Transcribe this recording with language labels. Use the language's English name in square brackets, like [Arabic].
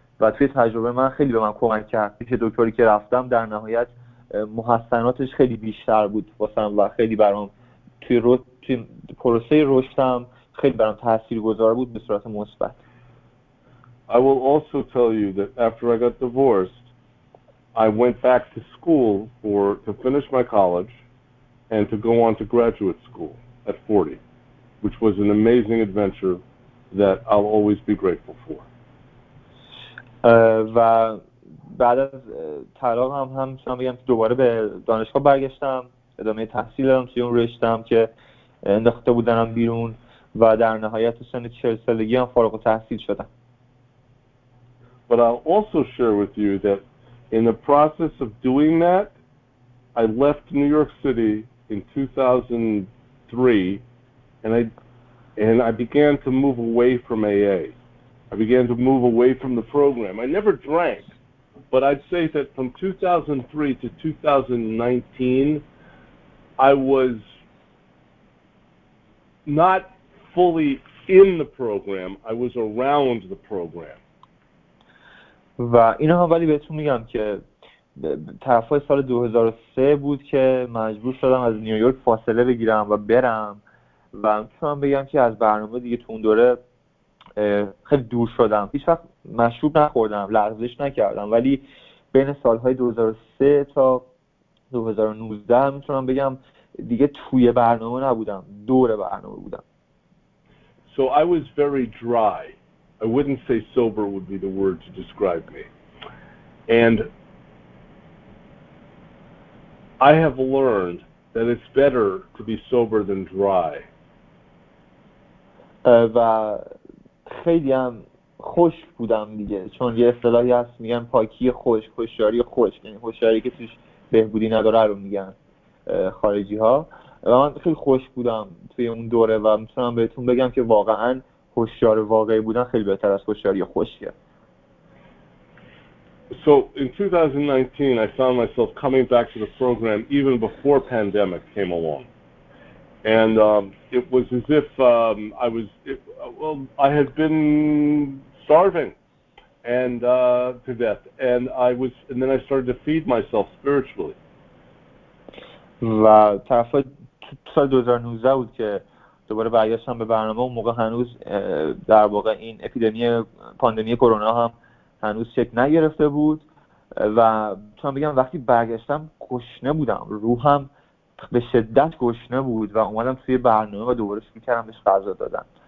[Persian] و توی تجربه من خیلی به من کمک کرد که دکتری که رفتم در نهایت محسناتش خیلی بیشتر بود واسم و خیلی برام توی پروسه رشدم خیلی برام تاثیرگذار بود به صورت مثبت. [English] I will also tell you that after I got divorced, I went back to school to finish my college and to go on to graduate school at 40, which was an amazing adventure that I'll always be grateful for. [Persian] و بعد از طلاق هم همچنان بگم که دوباره به دانشگاه برگشتم، ادامه تحصیل دادم توی اون رشته‌ام که انداخته بودنم بیرون و در نهایت سن 40 سالگی هم فارغ التحصیل شدم. [English] But I'll also share with you that in the process of doing that, I left New York City in 2003 and I began to move away from AA. I began to move away from the program. I never drank, but I'd say that from 2003 to 2019 I was not fully in the program, I was around the program. [Persian] و اینا هم ولی بهتون میگم که طرف های سال 2003 بود که مجبور شدم از نیویورک فاصله بگیرم و برم و میتونم بگم که از برنامه دیگه تو اون دوره خیلی دور شدم. هیچ وقت مشروب نخوردم، لغزش نکردم، ولی بین سالهای 2003 تا 2019 میتونم بگم دیگه توی برنامه نبودم، دور برنامه بودم. [English] So I was very dry. I wouldn't say sober would be the word to describe me. And I have learned that it's better to be sober than dry. [Persian] و خیلی هم خوش بودم دیگه، چون یه اصطلاحی هست میگن پاکی خوش، هوشیاری خوش، یعنی هوشیاری که توش بهبودی نداره رو میگن خارجی ها. و من خیلی خوش بودم توی اون دوره و میتونم بهتون بگم که واقعا هوشیار واقعی بودن خیلی بهتر از هوشیاری خوشیه. [English] So in 2019 I found myself coming back to the program even before pandemic came along. And it was as if I was I had been starving and to death and then I started to feed myself spiritually. [Persian] و طرف سال 2019 بود که دوباره برگشتم به برنامه، اون موقع هنوز در واقع این اپیدمی پاندمی کرونا هم هنوز شکل نگرفته بود و میتونم بگم وقتی برگشتم گشنه بودم، روحم به شدت گشنه بود و اومدم توی برنامه و دوباره شروع کردم بهش غذا دادن.